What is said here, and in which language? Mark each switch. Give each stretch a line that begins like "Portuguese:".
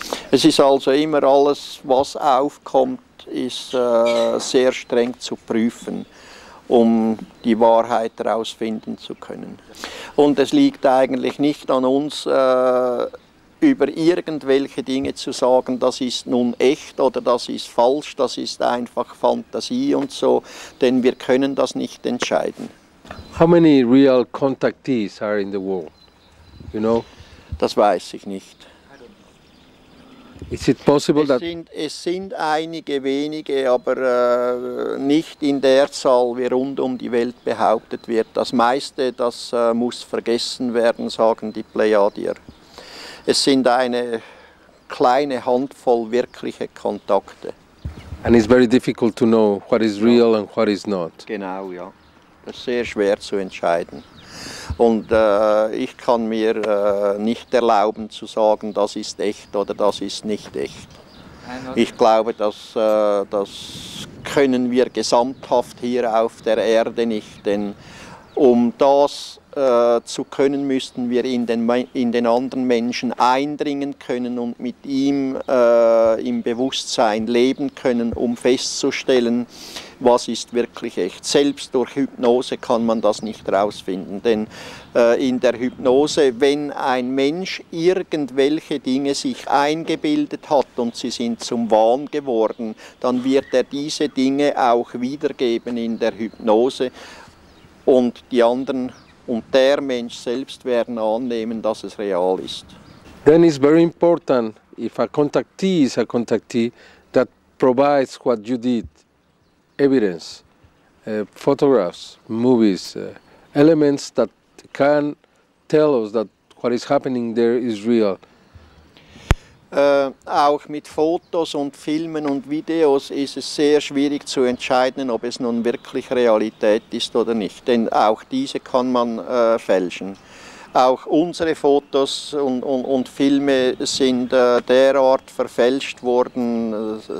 German: Es ist also immer alles, was aufkommt, ist sehr streng zu prüfen, um die Wahrheit herausfinden zu können. Und es liegt eigentlich nicht an uns, über irgendwelche Dinge zu sagen, das ist nun echt oder das ist falsch, das ist einfach Fantasie und so, denn wir können das nicht entscheiden.
English: How many real contactees are in the world? You know?
German: Das weiß ich nicht.
English: Is it possible that
German: es sind einige wenige, aber nicht in der Zahl, wie rund um die Welt behauptet wird. Das meiste, das muss vergessen werden, sagen die Plejadier. es sind eine kleine Handvoll wirkliche Kontakte.
English: And it's very difficult to know what is real and what is not.
German: Genau, ja. Das ist sehr schwer zu entscheiden. Und ich kann mir nicht erlauben zu sagen, das ist echt oder das ist nicht echt. Ich glaube, das können wir gesamthaft hier auf der Erde nicht, denn um das zu können, müssten wir in den anderen Menschen eindringen können und mit ihm im Bewusstsein leben können, um festzustellen, was ist wirklich echt. Selbst durch Hypnose kann man das nicht herausfinden, denn in der Hypnose, wenn ein Mensch irgendwelche Dinge sich eingebildet hat und sie sind zum Wahn geworden, dann wird er diese Dinge auch wiedergeben in der Hypnose. Und die anderen und der Mensch selbst werden annehmen, dass es real ist.
English: Then it's very important if a contactee is a contactee that provides what you did, evidence, photographs, movies, elements that can tell us that what is happening there is real.
German: Auch mit Fotos und Filmen und Videos ist es sehr schwierig zu entscheiden, ob es nun wirklich Realität ist oder nicht. Denn auch diese kann man fälschen. Auch unsere Fotos und Filme sind derart verfälscht worden.